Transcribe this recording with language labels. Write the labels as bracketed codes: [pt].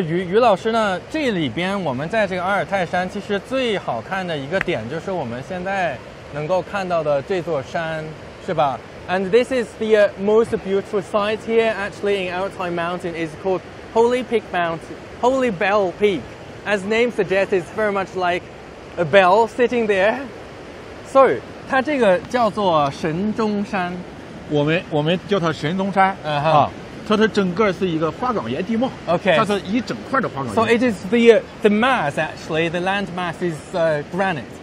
[zh] Yu, 于老师呢，这里边我们在这个阿尔泰山，其实最好看的一个点就是我们现在能够看到的这座山，是吧？ [en] And this is the most beautiful site here, actually, in Altai Mountain. It's called Holy Peak Mountain, Holy Bell Peak. As name suggests, it's very much like a bell sitting there. [zh] So, 它这个叫做神钟山。我们叫它神钟山。它是整个是一个花岗岩地貌。它是一整块的花岗岩。 [en] Okay. So it is the mass, actually, the land mass is granite.